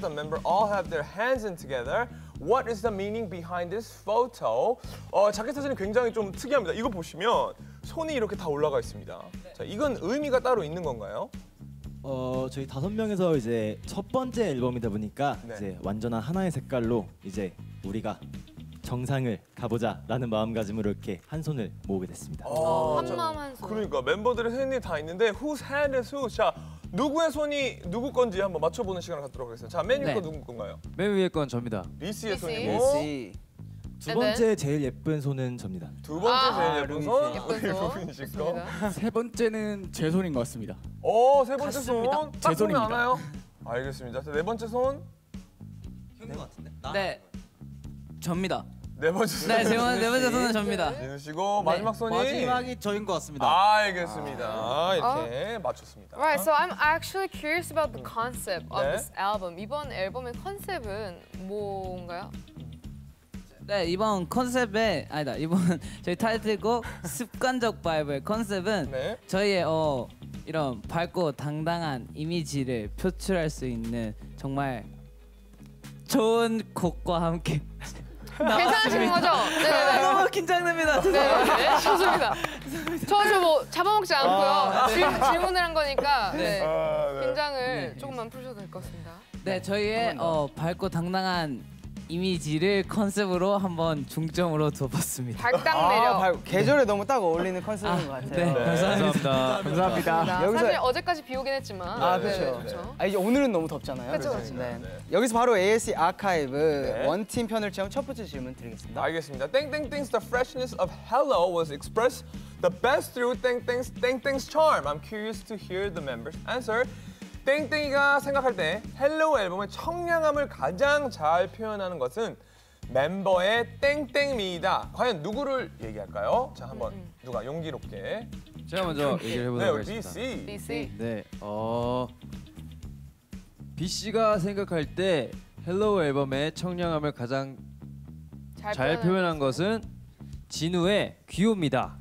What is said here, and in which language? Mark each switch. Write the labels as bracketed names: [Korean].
[English] The members all have their hands in together. What is the meaning behind this photo? [Korean] 자켓 사진이 굉장히 좀 특이합니다. 이거 보시면 손이 이렇게 다 올라가 있습니다. 네. 자, 이건 의미가 따로 있는 건가요? 저희 다섯 명에서 이제 첫 번째 앨범이다 보니까 네. 이제 완전한 하나의 색깔로 이제 우리가 정상을 가보자 라는 마음가짐으로 이렇게 한 손을 모으게 됐습니다. 한 마음 한 손. 그러니까 멤버들의 손이 다 있는데 [English] whose hand is who? [Korean] 자, 누구의 손이 누구 건지 한번 맞춰보는 시간을 갖도록 하겠습니다. 자, 맨 위 거 네. 누구 건가요? 맨 위에 건 접니다. 리시의 손이고 리시. 두 번째 제일 예쁜 손은 접니다. 두 번째 제일 예쁜 손? 우리 루빈씨 거? 세 번째는 제 손인 것 같습니다. 오, 세 번째 갔습니다. 손? 제 손입니다. 않아요? 알겠습니다. 네 번째 손? 형인 것 같은데? 네. 접니다. 네 번째 손은 네, 네 번째 손은 접니다. 진우씨고 마지막 손이? 마지막이 저인 것 같습니다. 알겠습니다. 이렇게 맞췄습니다. [English] Right, so I'm actually curious about the concept of this album. [Korean] 이번 앨범의 컨셉은 뭔가요? 네, 이번 컨셉의 아니다. 이번 저희 타이틀곡 습관적 바이브의 컨셉은 네. 저희의 이런 밝고 당당한 이미지를 표출할 수 있는 정말 좋은 곡과 함께 괜찮으신 거죠? 네, 네, 네. 너무 긴장됩니다. 네, 네, 네. 좋습니다. 저 뭐 잡아먹지 않고요. 질문을 한 거니까 네. 네. 긴장을 네. 조금만 풀셔도 될 것 같습니다. 네, 저희의 밝고 당당한 이미지를 컨셉으로 한번 중점으로 둬봤습니다. 발딱 내려. 아, 계절에 네. 너무 딱 어울리는 컨셉인 것 같아요. 네, 네. 감사합니다. 감사합니다. 감사합니다. 여기서... 사실 어제까지 비 오긴 했지만. 아, 그렇죠. 네, 그렇죠. 아, 이제 오늘은 너무 덥잖아요. 그렇죠, 그렇죠. 네. 여기서 바로 AAC 아카이브 네. 원팀 편을 채운 첫 번째 질문 드리겠습니다. 알겠습니다. 땡땡땡스 [English] the freshness of Hello was expressed the best through [Korean] 땡땡스 땡땡스 [English] charm. I'm curious to hear the members' answer. [Korean] 땡땡이가 생각할 때 헬로 앨범의 청량함을 가장 잘 표현하는 것은 멤버의 땡땡미이다. 과연 누구를 얘기할까요? 자, 한번 누가 용기롭게. 제가 먼저 얘기를 해보도록 하겠습니다. 네, BC. BC. 네, BC가 생각할 때 헬로 앨범의 청량함을 가장 잘 표현한 것은 진우의 귀요미다.